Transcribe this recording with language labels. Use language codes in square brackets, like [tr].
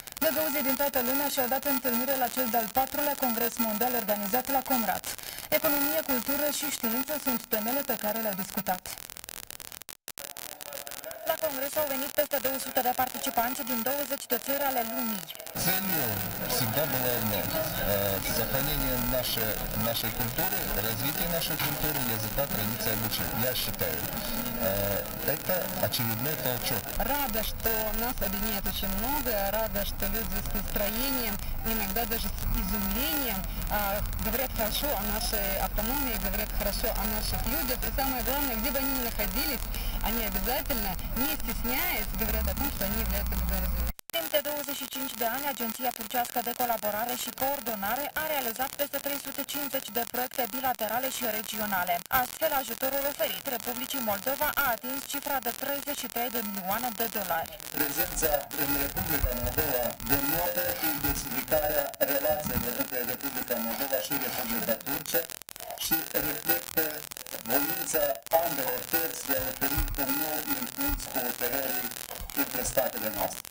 [ro] Găgăuzii din toată lumea și-au dat întâlnire la cel de-al patrulea congres mondial organizat la Comrat. Economie, cultură și știință sunt temele pe care le-au discutat. La congres au venit peste 200 de participanți din 20 de țări ale lumii. [ru] целью, всегда было одно. Сохранение нашей культуры, развитие нашей культуры, языка, традиции, обычаи. Я считаю, это очередной толчок. Рада, что нас объединяет очень много. Рада, что люди с настроением, иногда даже с изумлением, говорят хорошо о нашей автономии, говорят хорошо о наших людях. И самое главное, где бы они ни находились, они обязательно, не стесняясь, говорят о том, что они являются государственными. [ro] Timp de 25 de ani, Agenția Turcească de Colaborare și Coordonare a realizat peste 350 de proiecte bilaterale și regionale. Astfel, ajutorul oferit Republicii Moldova a atins cifra de 33 de milioane de dolari. Prezența în Republica Moldova denotă intensificarea relațiilor între Republica Moldova și Republica Turcia și reflectă voința ambelor părți de a oferi un nou impuls cooperării între statele noastre.